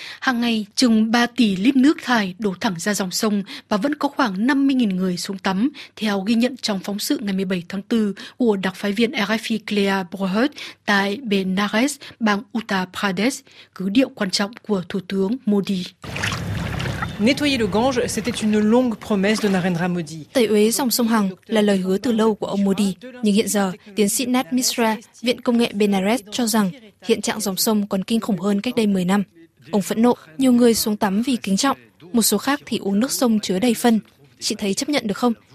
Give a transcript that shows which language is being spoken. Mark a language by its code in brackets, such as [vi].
[vi] Hàng ngày, chừng 3 tỷ lít nước thải đổ thẳng ra dòng sông và vẫn có khoảng 50.000 người xuống tắm, theo ghi nhận trong phóng sự ngày 17 tháng 4 của đặc phái viên RFI Claire Brohut tại Benares, bang Uttar Pradesh, cứ điệu quan trọng của Thủ tướng Modi. [fr] Nettoyer le Gange, c'était une longue promesse de Narendra Modi. [vi] Tẩy uế dòng sông Hằng là lời hứa từ lâu của ông Modi. Nhưng hiện giờ, tiến sĩ Nat Mishra, Viện Công nghệ Benares cho rằng hiện trạng dòng sông còn kinh khủng hơn cách đây 10 năm. Ông phẫn nộ, nhiều người xuống tắm vì kính trọng, một số khác thì uống nước sông chứa đầy phân. Chị thấy chấp nhận được không?